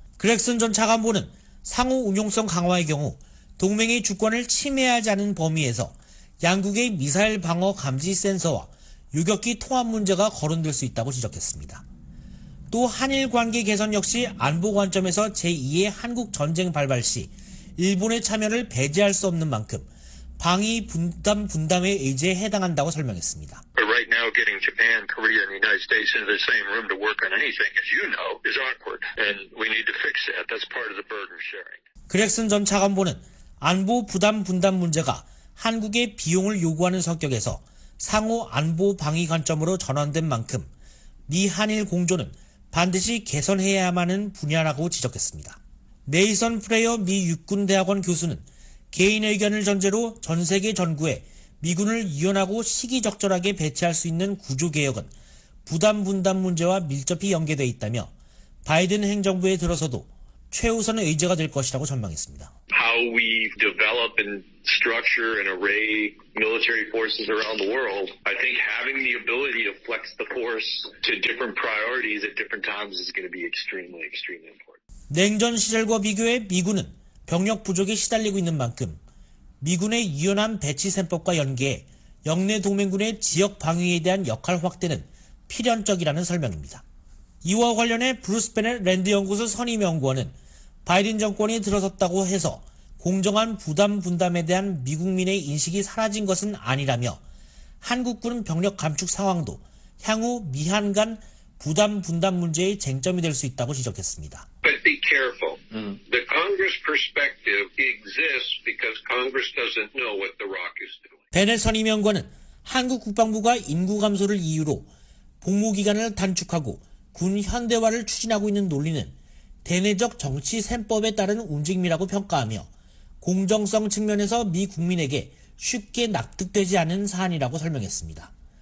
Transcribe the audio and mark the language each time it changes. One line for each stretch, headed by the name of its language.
Korean: 그렉슨 전 차관보는 상호 운용성 강화의 경우 동맹의 주권을 침해하지 않은 범위에서 양국의 미사일 방어 감지 센서와 유격기 통합 문제가 거론될 수 있다고 지적했습니다. 또 한일 관계 개선 역시 안보 관점에서 제2의 한국 전쟁 발발 시 일본의 참여를 배제할 수 없는 만큼 방위 분담 분담의 의제에 해당한다고 설명했습니다.
English: Right now getting Japan, Korea and the United States into the same room to work on anything as you know is awkward and we need to fix that. That's part of the burden sharing.
Korean: 그렉슨 전 차관보는 안보 부담 분담 문제가 한국의 비용을 요구하는 성격에서 상호 안보 방위 관점으로 전환된 만큼 미한일 공조는 반드시 개선해야만 하는 분야라고 지적했습니다. 네이선 프레어 미 육군대학원 교수는 개인 의견을 전제로 전 세계 전구에 미군을 이원하고 시기적절하게 배치할 수 있는 구조개혁은 부담 분담 문제와 밀접히 연계되어 있다며 바이든 행정부에 들어서도 최우선 의제가 될 것이라고 전망했습니다.
English: How we develop and structure and array military forces around the world, I think having the ability to flex the force to different priorities at different times is going to be extremely, extremely important.
Korean: 냉전 시절과 비교해 미군은 병력 부족에 시달리고 있는 만큼 미군의 유연한 배치 셈법과 연계해 영내 동맹군의 지역 방위에 대한 역할 확대는 필연적이라는 설명입니다. 이와 관련해 브루스 베넷 랜드 연구소 선임 연구원은 바이든 정권이 들어섰다고 해서 공정한 부담 분담에 대한 미국민의 인식이 사라진 것은 아니라며 한국군 병력 감축 상황도 향후 미한 간 부담 분담 문제의 쟁점이 될 수 있다고 지적했습니다.
English: But be careful. The Congress perspective exists because Congress doesn't know what the ROC is doing.
Korean: 베넷 선임 연구원은 한국 국방부가 인구 감소를 이유로 복무 기간을 단축하고 군 현대화를 추진하고 있는 논리는 대내적 정치 셈법에 따른 움직임이라고 평가하며 공정성 측면에서 미 국민에게 쉽게 납득되지 않은 사안이라고 설명했습니다.